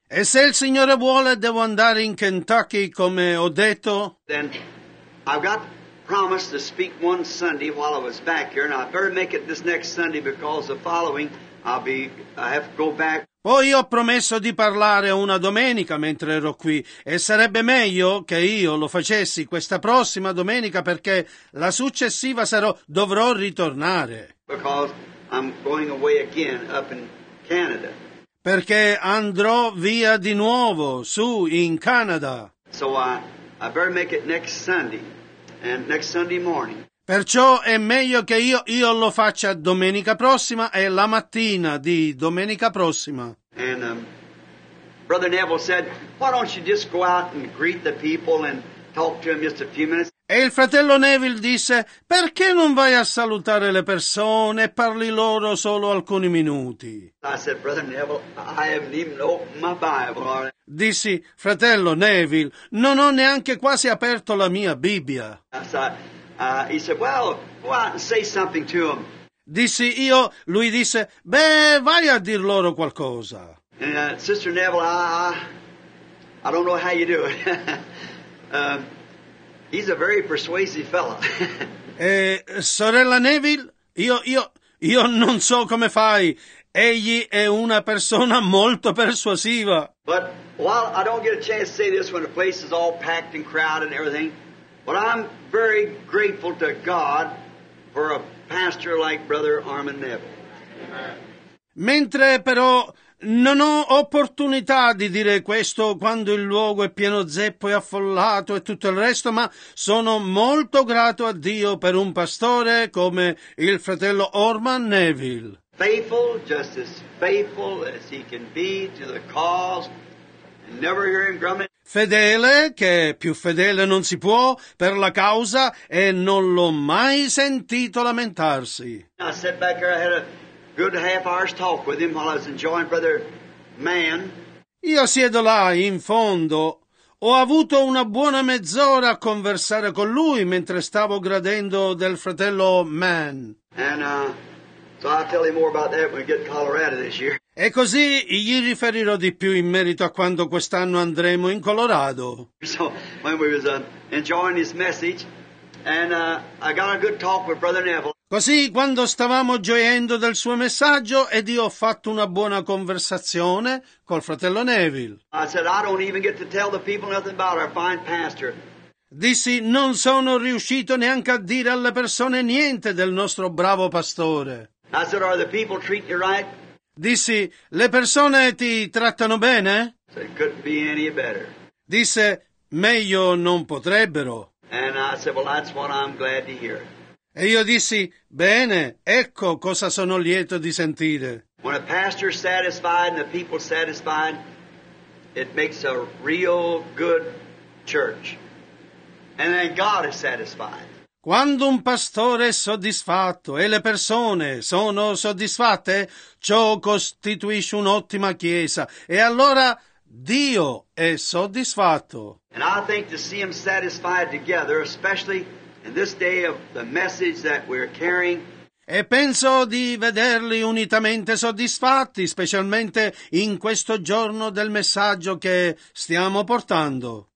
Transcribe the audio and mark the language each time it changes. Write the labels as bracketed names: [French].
[Italian] E se il Signore vuole, devo andare in Kentucky, come ho detto. [English] Then I've got promised to speak one Sunday while I was back here, and I better make it this next Sunday because the following I have to go back. [Italian] Poi ho promesso di parlare una domenica mentre ero qui, e sarebbe meglio che io lo facessi questa prossima domenica perché la successiva dovrò ritornare. [English] Because I'm going away again up in Canada. [Italian] Perché andrò via di nuovo su in Canada. [English] So I better make it next Sunday. And next Sunday morning. [Italian] Perciò è meglio che io lo faccia domenica prossima e la mattina di domenica prossima. [English] And Brother Neville said, why don't you just go out and greet the people and talk to them just a few minutes? [Italian] E il fratello Neville disse, perché non vai a salutare le persone e parli loro solo alcuni minuti? [English] I said, Brother Neville, I haven't even opened my Bible. [Italian] Dissi, fratello Neville, non ho neanche quasi aperto la mia Bibbia. [English] He said, well, go out and say something to them. [Italian] Dissi io, lui disse, beh, vai a dir loro qualcosa. [English] And, Sister Neville, I don't know how you do it. He's a very persuasive fellow. [Italian] sorella Neville, io non so come fai. Egli è una persona molto persuasiva. [English] But while I don't get a chance to say this when the place is all packed and crowded and everything, but I'm very grateful to God for a pastor like Brother Armin Neville. [Italian] Mentre però non ho opportunità di dire questo quando il luogo è pieno zeppo e affollato e tutto il resto, ma sono molto grato a Dio per un pastore come il fratello Armin Neville. [English] Faithful, just as faithful as he can be to the cause, and never hear him grumbling. [Italian] Fedele, che più fedele non si può, per la causa, e non l'ho mai sentito lamentarsi. [English] I sat back here, I had a good half hour's talk with him while I was enjoying Brother Mann. [Italian] Io siedo là, in fondo. Ho avuto una buona mezz'ora a conversare con lui mentre stavo gradendo del fratello Mann. [English] So I'll tell you more about that when we get to Colorado this year. [Italian] E così gli riferirò di più in merito a quando quest'anno andremo in Colorado. [English] So when we was enjoying his message, and I got a good talk with Brother Neville. [Italian] Così quando stavamo gioiendo del suo messaggio ed io ho fatto una buona conversazione col fratello Neville. [English] I said I don't even get to tell the people nothing about our fine pastor. [Italian] Dissi, non sono riuscito neanche a dire alle persone niente del nostro bravo pastore. [English] I said, are the people treating you right? [Italian] Dissi, le persone ti trattano bene? [English] So it couldn't be any better. [Italian] Disse, meglio non potrebbero. [English] And I said, well, that's what I'm glad to hear. [Italian] E io dissi, bene, ecco cosa sono lieto di sentire. [English] When a pastor's satisfied and the people's satisfied, it makes a real good church. And then God is satisfied. [Italian] Quando un pastore è soddisfatto e le persone sono soddisfatte, ciò costituisce un'ottima chiesa. E allora Dio è soddisfatto. [English] And I think to see them satisfied together, especially in this day of the message that we're carrying. [Italian] E penso di vederli unitamente soddisfatti, specialmente in questo giorno del messaggio che stiamo portando.